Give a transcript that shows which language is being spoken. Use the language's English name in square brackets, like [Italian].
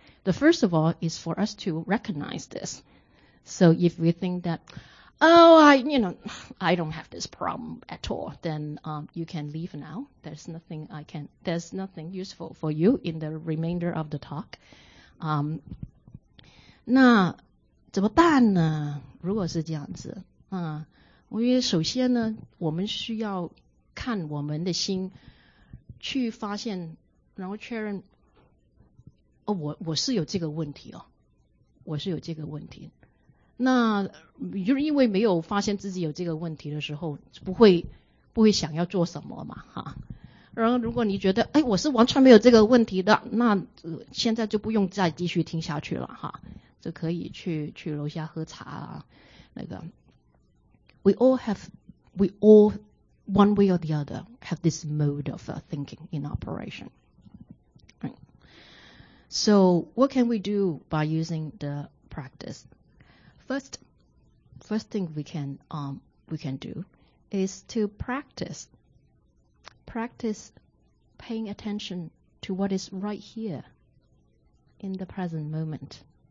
[English] The first of all is for us to recognize this. So if we think that, oh, I don't have this problem at all, then you can leave now. There's nothing useful for you in the remainder of the talk. [Chinese] 那怎么办呢？如果是这样子，我觉得首先呢，我们需要看我们的心，去发现，然后确认，哦，我是有这个问题哦，我是有这个问题。那就是因为没有发现自己有这个问题的时候，不会想要做什么嘛，哈。然后如果你觉得，哎，我是完全没有这个问题的，那现在就不用再继续听下去了，哈。就可以去楼下喝茶啊，那个。 [English] We all one way or the other have this mode of thinking in operation. Right. So what can we do by using the practice? First thing we can do is to practice paying attention to what is right here in the present moment.